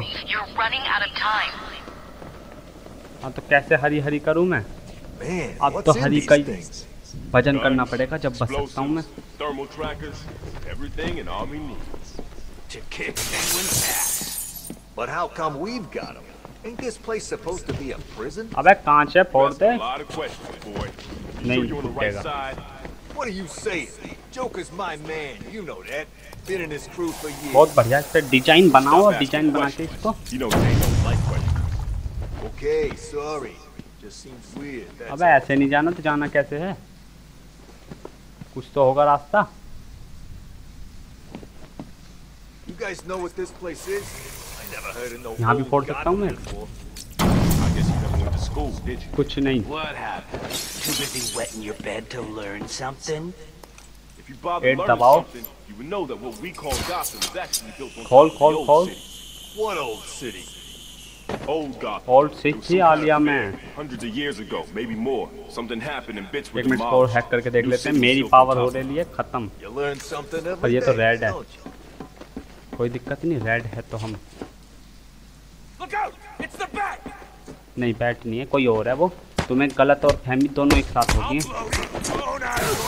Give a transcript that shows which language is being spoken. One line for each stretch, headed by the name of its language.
Hindi: हाँ तो कैसे हरी हरी करूँ मैं, अब तो हरी कई भजन करना पड़ेगा जब बच सकता हूँ मैं।
English: Thermal trackers, everything an army needs to kick anyone's ass. But how come we've got them? Ain't this place supposed to be a prison?
Hindi: अबे कांच है फोड़ दे। नहीं फूटेगा।
English: What are you saying? Joker's my man, you know that. Been in his crew for years.
Hindi: बहुत बढ़िया, इस पे design बनाओ, डिजाइन बना के इसको।
English: Okay, sorry. Just seems weird.
Hindi: अबे ऐसे नहीं जाना, तो जाना कैसे है? कुछ तो होगा रास्ता।
English: You guys know what this place is? I never heard of no one.
Hindi: यहाँ भी फोड़ सकता हूँ मैं। कुछ नहीं।
English: What happened? Too busy wetting your bed to learn something? If you bother learning something, you would know that what we call Gotham is actually built on the old city. Call. What old city? Old Gotham. Old city, Alia man. Hundreds of years ago, maybe more. Something happened and bits were demolished.
Hindi: एक minute और hack करके देख लेते हैं। मेरी power हो रही है खत्म। पर ये तो रेड है। कोई दिक्कत नहीं, रेड है तो हम।
English: Look out! It's the bat!
Hindi: नहीं बैट नहीं है, कोई और है वो। तुम्हें गलत और फहमी दोनों एक साथ हो गई हैं।